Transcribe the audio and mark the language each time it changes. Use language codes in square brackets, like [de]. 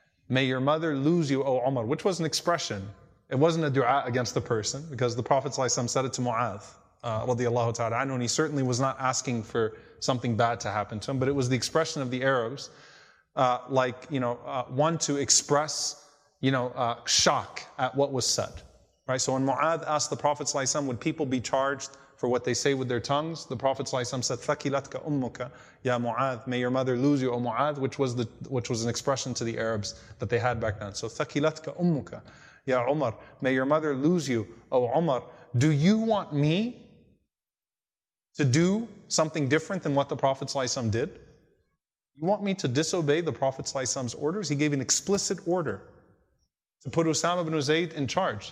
[en] May your mother lose you, O Umar. Which was an expression. It wasn't a dua against the person, because the Prophet ﷺ said it to Mu'adh, radiallahu ta'ala anhu, and he certainly was not asking for something bad to happen to him, but it was the expression of the Arabs, one to express, you know, shock at what was said. Right, so when Mu'adh asked the Prophet ﷺ, would people be charged for what they say with their tongues? The Prophet ﷺ said, [ar] ثَكِلَتْكَ أُمُّكَ يَا مُعَاذ. [en] May your mother lose you, O Mu'adh, which was an expression to the Arabs that they had back then. So, [ar] ثَكِلَتْكَ أُمُّكَ يَا عُمَر. [en] May your mother lose you, O Umar. Do you want me to do something different than what the Prophet ﷺ did? You want me to disobey the Prophet ﷺ's orders? He gave an explicit order to put Usama bin Zayd in charge.